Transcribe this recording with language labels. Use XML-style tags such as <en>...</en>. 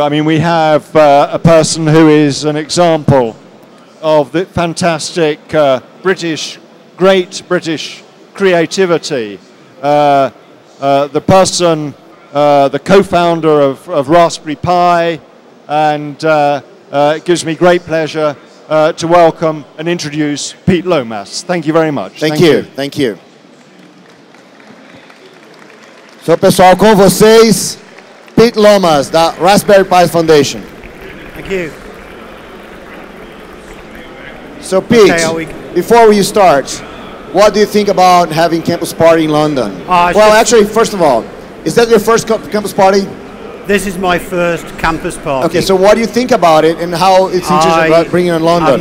<en>I mean, we have a person who is an example of the fantastic great British creativity. The person, the co-founder of Raspberry Pi, and it gives me great pleasure to welcome and introduce Pete Lomas. Thank you very much. Thank you.</en> <pt>So, pessoal, com vocês, Pete Lomas, da Raspberry Pi Foundation.</pt> <en>Thank you. So, Pete, before we start, what do you think about having Campus Party in London? Actually, first of all, is that your first Campus Party? This is my first Campus Party. Okay, so what do you think about it and how it's interesting about bringing it in London?</en>